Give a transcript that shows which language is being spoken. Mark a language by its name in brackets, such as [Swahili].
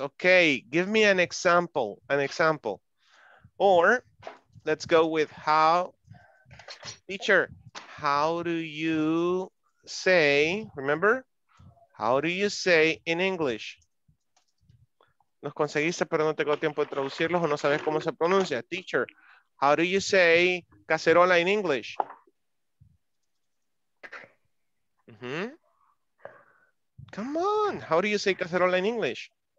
[English] Okay, give me an example, Or let's go with how, teacher, how do you say, remember? How do you say in English? [Spanish] Los conseguiste, pero no tengo tiempo de traducirlos o no sabes cómo se pronuncia. [English] Teacher, how do you say cacerola in English? Mm-hmm. Come on, how do you say cacerola in English?